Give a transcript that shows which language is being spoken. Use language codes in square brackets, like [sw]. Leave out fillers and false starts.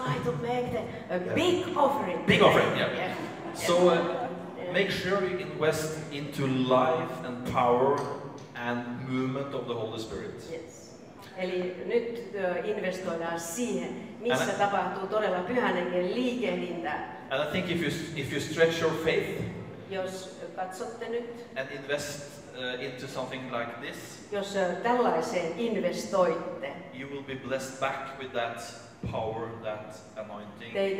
[en] We try to make a big offering. Big offering, yeah. So make sure you invest into life and power and movement of the Holy Spirit. Yes. [fi] Eli nyt investoidaan siihen, missä tapahtuu todella Pyhän Hengen liikehdintä. [en] And I think if you stretch your faith, [fi] jos katsotte nyt, [en] and invest into something like this, [fi] jos tällaiseen investoitte, [en] you will be blessed back with that power, that anointing.